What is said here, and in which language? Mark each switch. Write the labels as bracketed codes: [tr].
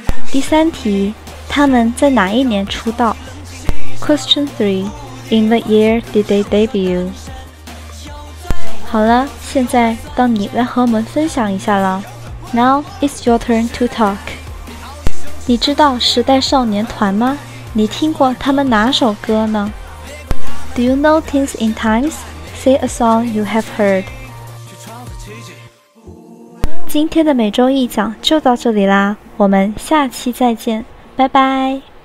[zh] 第三题，他们在哪一年出道？ [en] Question 3. In what year did they debut? [zh] 好了，现在到你来和我们分享一下了。 [en] Now it's your turn to talk. [zh] 你知道时代少年团吗？你听过他们哪首歌呢？ [en] Do you know Teens in Times? Say a song you have heard. [zh] 今天的每周一讲就到这里啦，我们下期再见，拜拜。